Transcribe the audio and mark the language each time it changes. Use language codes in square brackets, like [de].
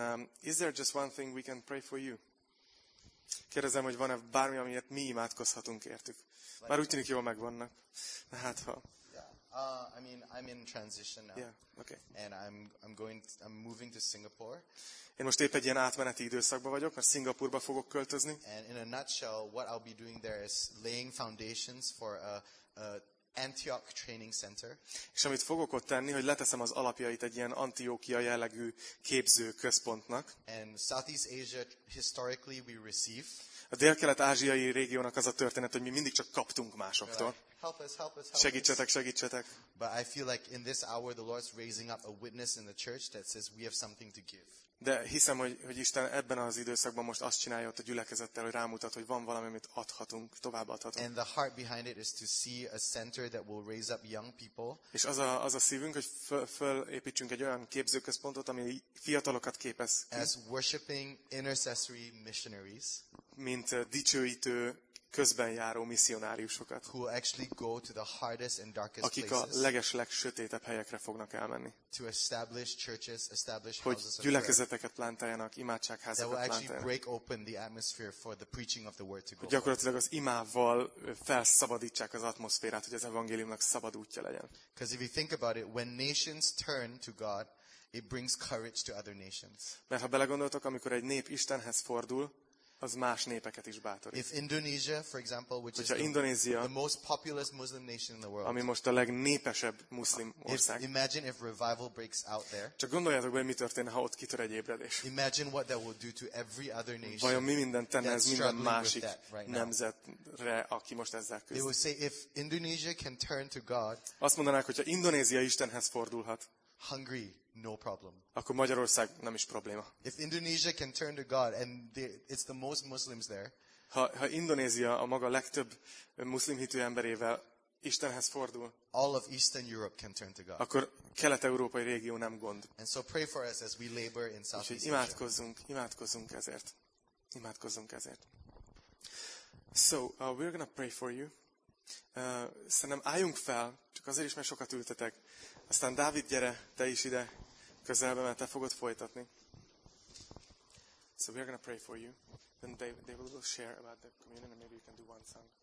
[en] And is there just one thing we can pray for you? [hu] Kérdezem, hogy van-e bármi, amiért mi imádkozhatunk értük. Már úgy tűnik, jól megvannak. De hát ha... [en] Yeah. I mean, I'm in transition now. Yeah, okay. And I'm moving to Singapore. [hu] Én most épp egy ilyen átmeneti időszakban vagyok, mert Szingapúrba fogok költözni. [en] And in a nutshell, what I'll be doing there is laying foundations for a Antioch Training Center. [hu] És amit fogok ott tenni, hogy leteszem az alapjait egy ilyen Antiochia jellegű képző központnak. [en] And Southeast Asia historically we receive. [hu] A Dél-Kelet-ázsiai régiónak az a történet, hogy mi mindig csak kaptunk másoktól. [en] Help us, help us, help us. [hu] Segítsetek, segítsetek. [en] But I feel like in this hour the Lord's raising up a witness in the church that says we have something to give. [hu] De hiszem, hogy Isten ebben az időszakban most azt csinálja ott a gyülekezettel, hogy rámutat, hogy van valami, amit adhatunk, tovább adhatunk. [en] And the heart behind it is to see a center that will raise up young people. [hu] És az a szívünk, hogy fölépítsünk egy olyan képzőközpontot, ami fiatalokat képez ki. [en] As worshiping intercessory missionaries. [hu] Mint dicsőítő közben járó misszionáriusokat. [en] Who actually go to the hardest and darkest places. [hu] Akik a legesleg sötétebb helyekre fognak elmenni. [en] To establish churches, establish houses of prayer. [hu] Hogy gyülekezeteket plantáljanak, imádságházakat plantáljanak. [en] That will actually break open the atmosphere for the preaching of the word to go. [hu] Hogy gyakorlatilag az imával felszabadítsák az atmoszférát, hogy az evangéliumnak szabad útja legyen. [en] Because if you think about it, when nations turn to God, it brings courage to other nations. [hu] Mert ha belegondoltok, amikor egy nép Istenhez fordul, az más népeket is bátorít. [en] If Indonesia, for example, which [hu] hogyha [en] is Indonesia, the most populous Muslim nation in the world, [hu] ami most a legnépesebb muszlim ország. [en] Imagine if revival breaks out there. [hu] Csak gondoljátok be, mi történne, ha ott kitör egy ébredés. [en] Imagine what that will do to every other nation. [hu] Vajon mi mindent tenne ez minden másik right nemzetre, aki most ezzel küzd. [en] They will say if Indonesia can turn to God. [hu] Azt mondanák, hogyha Indonézia Istenhez fordulhat. [en] Hungary, no problem. [hu] Akkor Magyarország nem is probléma. [en] If Indonesia can turn to God and it's the most Muslims there. [hu] Ha Indonézia a maga legtöbb muszlim hitű emberével Istenhez fordul. [en] All of Eastern Europe can turn to God. [hu] Akkor kelet-európai régió nem gond. [en] And so pray for us as we labor in Southeast Asia. [hu] Imádkozzunk ezért. Imádkozzunk ezért. [en] So, we're going to pray for you. [hu] Szerintem álljunk fel, csak azért is, mert sokat ültetek. Aztán Dávid, gyere, te is ide közelbe, mert te fogod folytatni. [en] So we are going to pray for you. Then they will share about the communion and maybe you can do one song.